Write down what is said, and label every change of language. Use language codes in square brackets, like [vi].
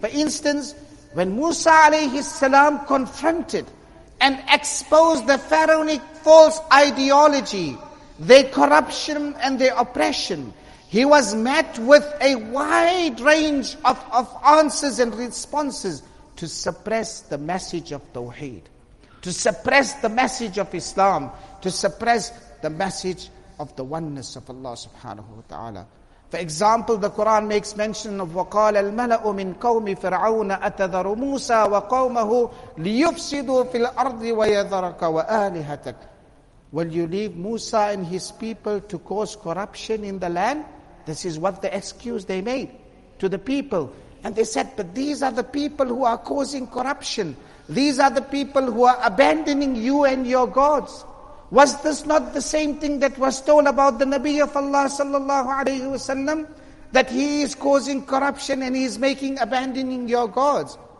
[en] For instance, when Musa alayhi salam confronted and exposed the pharaonic false ideology, their corruption and their oppression, he was met with a wide range of answers and responses to suppress the message of Tawheed, to suppress the message of Islam, to suppress the message of the oneness of Allah subhanahu wa ta'ala. For example, the Quran makes mention of [ar] وَقَالَ الْمَلَأُ مِنْ قَوْمِ فِرْعَوْنَ أَتَذَرُ مُوسَى وَقَوْمَهُ لِيُفْسِدُوا فِي الْأَرْضِ وَيَذَرَكَ وَآلِهَتَكَ. [en] Will you leave Musa and his people to cause corruption in the land? This is what the excuse they made to the people. And they said, but these are the people who are causing corruption. These are the people who are abandoning you and your gods. Was this not the same thing that was told about the Nabi of Allah sallallahu alayhi wasallam, that he is causing corruption and he is making abandoning your gods?